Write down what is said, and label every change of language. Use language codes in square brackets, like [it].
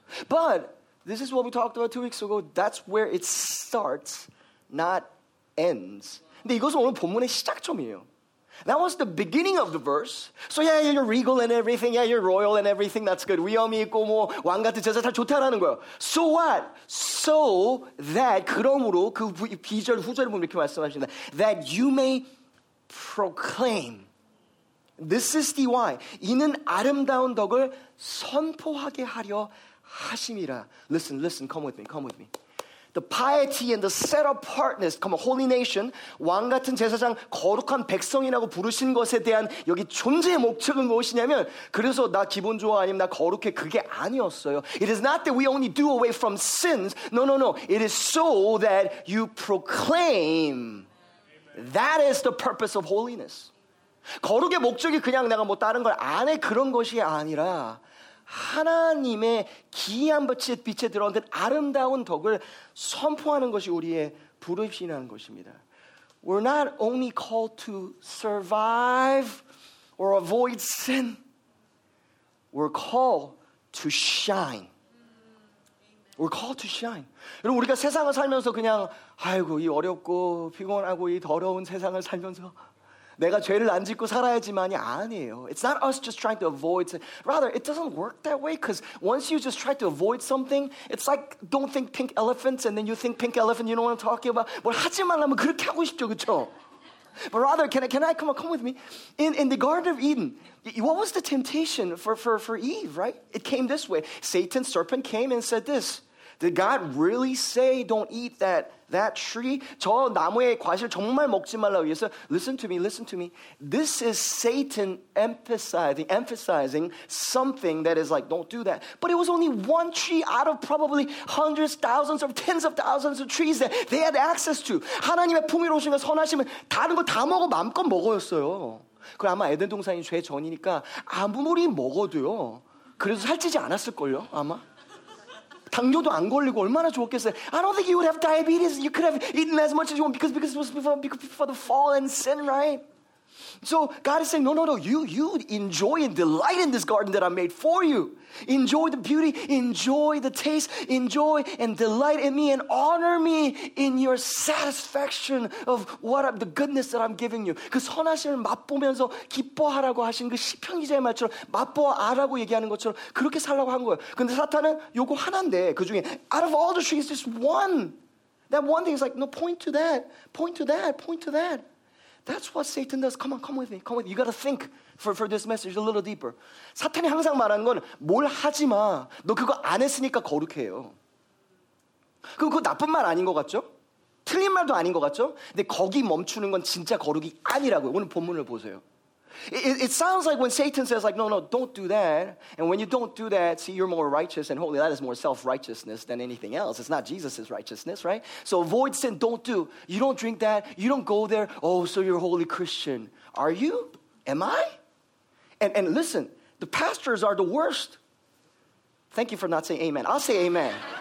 [en] But this is what we talked about 2 weeks ago. That's where it starts, not ends. [ko] 근데 이것은 오늘 본문의 시작점이에요. [en] That was the beginning of the verse. So yeah, you're regal and everything. Yeah, you're royal and everything. That's good. [ko] 위엄이 있고 뭐 왕 같은 제사 다 좋다라는 거예요. [en] So what? So that, [ko] 그러므로 그 비절 후절을 보면 이렇게 말씀하십니다. [en] That you may proclaim. This is the why. [ko] 이는 아름다운 덕을 선포하게 하려 하심이라. [en] Listen, come with me. The piety and the set-apartness, come on, holy nation, [ko] 왕같은 제사장, 거룩한 백성이라고 부르신 것에 대한 여기 존재의 목적은 무엇이냐면 그래서 나 기분 좋아 아니면 나 거룩해 그게 아니었어요. [en] It is not that we only do away from sins. No. It is so that you proclaim. That is the purpose of holiness. [ko] 거룩의 목적이 그냥 내가 뭐 다른 걸 안 해 그런 것이 아니라 하나님의 기이한 빛에 드러난 아름다운 덕을 선포하는 것이 우리의 부르심이라는 것입니다. [en] We're not only called to survive or avoid sin. We're called to shine. We're called to shine. [ko] 여러분, 우리가 세상을 살면서 그냥 아이고 이 어렵고 피곤하고 이 더러운 세상을 살면서 내가 죄를 안 짓고 살아야지만이 아니에요. [en] It's not us just trying to avoid sin. Rather, it doesn't work that way because once you just try to avoid something, it's like don't think pink elephants and then you think pink elephant, you know what I'm talking about. [ko] 뭘 하지 말라면 그렇게 하고 싶죠, 그렇죠? [en] But rather, can I come with me? In the Garden of Eden, what was the temptation for Eve, right? It came this way. Satan, serpent, came and said this. Did God really say don't eat that tree? [ko] 저 나무의 과실 정말 먹지 말라고 해서 [en] listen to me. This is Satan emphasizing something that is like, don't do that. But it was only one tree out of probably hundreds, thousands, or tens of thousands of trees that they had access to. [ko] 하나님의 풍요로우심과 선하심은 다른 거 다 먹어 마음껏 먹었어요. 그 아마 에덴 동산이 죄 전이니까 아무리 먹어도요. 그래도 살찌지 않았을걸요, 아마. 당뇨도 안 걸리고 얼마나 좋았겠어요. [en] I don't think you would have diabetes. You could have eaten as much as you want because it was before the fall and sin, right? So God is saying, no. You enjoy and delight in this garden that I made for you. Enjoy the beauty. Enjoy the taste. Enjoy and delight in me and honor me in your satisfaction of the goodness that I'm giving you. [ko] 그 선하심을 맛보면서 기뻐하라고 하신 그 시편 기자의 말처럼 맛보아라고 얘기하는 것처럼 그렇게 살라고 한 거예요. 근데 사탄은 요거 하나인데 그 중에 [en] out of all the trees, just one. That one thing is like, no, point to that. That's what Satan does. Come with me. You got to think for this message a little deeper. [ko] 사탄이 항상 말하는 건 뭘 하지 마. 너 그거 안 했으니까 거룩해요. 그거 나쁜 말 아닌 것 같죠? 틀린 말도 아닌 것 같죠? 근데 거기 멈추는 건 진짜 거룩이 아니라고요. 오늘 본문을 보세요. [en] It sounds like when Satan says like, no, don't do that. And when you don't do that, see, you're more righteous and holy. That is more self-righteousness than anything else. It's not Jesus's righteousness, right? So avoid sin, don't do. You don't drink that. You don't go there. Oh, so you're a holy Christian. Are you? Am I? And listen, the pastors are the worst. Thank you for not saying amen. I'll say amen.